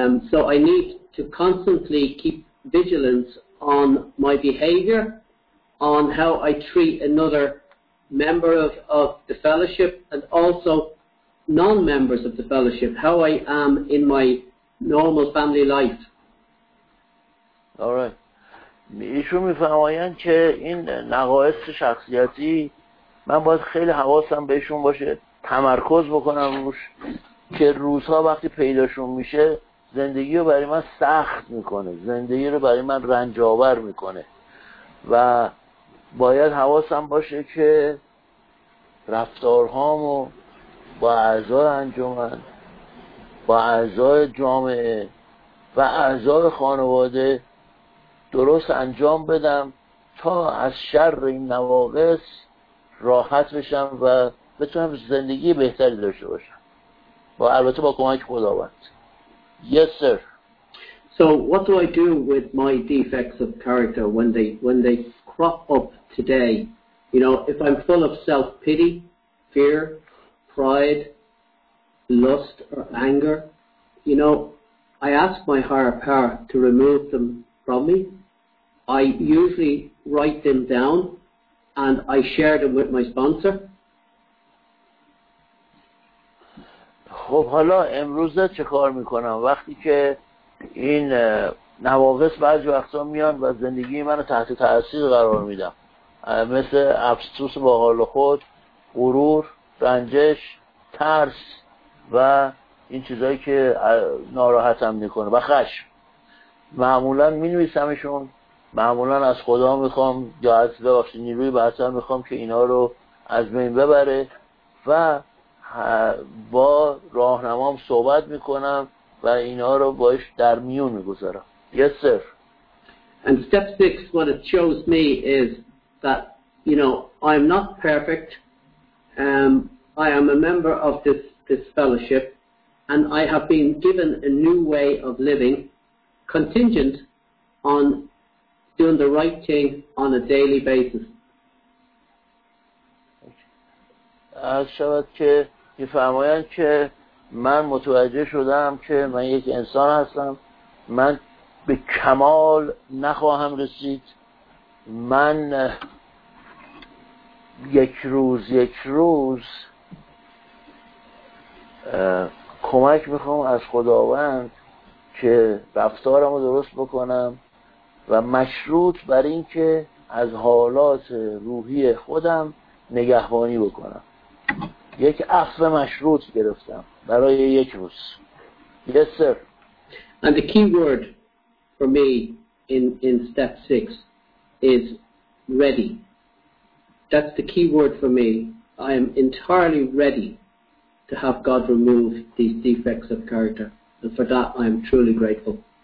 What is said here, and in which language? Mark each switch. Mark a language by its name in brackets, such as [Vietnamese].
[English] So I need to constantly keep vigilance on my behavior, on how I treat another member of the fellowship, and also non-members of the fellowship, how I am in my normal family life. All right. [Persian] ایشون میفرمایند که این نقایص شخصیتی من باید خیلی حواسم بهشون باشه، تمرکز بکنم روش که روزها وقتی پیداشون میشه زندگی رو برای من سخت میکنه، زندگی رو برای من رنجاور میکنه و باید حواسم باشه که رفتارهامو با اعضای انجمن، با اعضای جامعه و اعضای خانواده درست انجام بدم تا از شر این نواقص راحت بشم و بتونم زندگی بهتری داشته باشم و البته با کمک خداوند. [English] Yes, sir. So what do I do with my defects of character when they crop up today? You know, if I'm full of self-pity, fear, pride, lust or anger, you know, I ask my higher power to remove them from me. I usually write them down and I share them with my sponsor. [Persian] خب حالا امروزه چه کار میکنم وقتی که این نواقص بعضی وقتا میان و زندگی منو تحت تأثیر قرار میدم، مثل افسوس با حال خود، غرور، رنجش، ترس و این چیزایی که ناراحتم میکنه و خشم. معمولا مینویسمشون، معمولا از خدا میخوام یا از ببخشید نیروی برتر میخوام که اینا رو از بین ببره و با راهنمام صحبت میکنم و اینا رو باش در میون میگذارم. [English] Yes, sir. And step six, what it shows me is that, you know, I'm not perfect. I am a member of this fellowship, and I have been given a new way of living, contingent on doing the right thing on a daily basis. [Persian] شاید که میفرمایم که من متوجه شدم که من یک انسان هستم. من به کمال نخواهم رسید. من یک روز کمک میخوام از خداوند که رفتارمو درست بکنم و مشروط بر این که از حالات روحی خودم نگهبانی بکنم. یک عفو مشروط گرفتم برای یک روز. [English] Yes, sir. And the key word for me in step 6 is ready. That's the key word for me. I am entirely ready to have God remove these defects of character, and for that I am truly grateful.